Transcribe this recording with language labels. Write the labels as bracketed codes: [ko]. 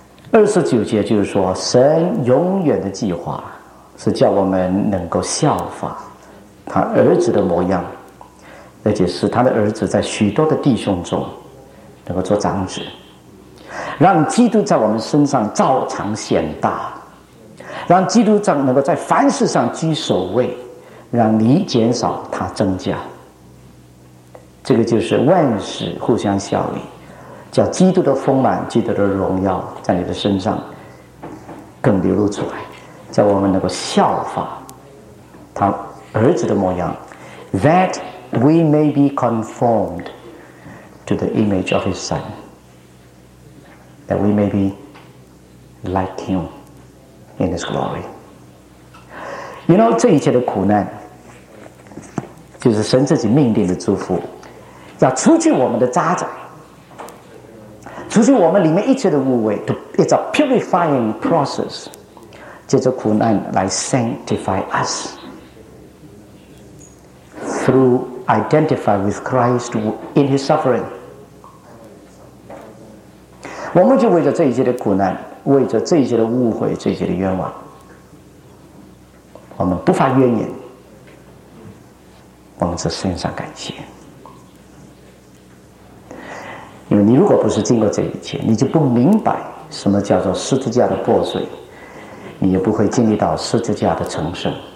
[zh] 二十九节就是说，神永远的计划是叫我们能够效法他儿子的模样，而且是他的儿子在许多的弟兄中能够做长子，让基督在我们身上照常显大，让基督长能够在凡事上居首位，让你减少他增加。这个就是万事互相效力，叫基督的丰满、基督的荣耀在你的身上更流露出来，叫我们能够效法他儿子的模样。 [en] That we may be conformed to the image of his son, that we may be like him in his glory. You know, [zh] 这一切的苦难就是神自己命定的祝福，要除去我们的渣滓，除去我们里面一切的污秽。 [en] It's a purifying process, [zh] 借着苦难来 [en] sanctify us through identify with Christ in his suffering. [zh] 我们就为着这一切的苦难，为着这一切的误会、这一切的冤枉，我们不发怨言，我们只献上感谢。因为你如果不是经过这一切，你就不明白什么叫做十字架的破碎，你也不会经历到十字架的成圣。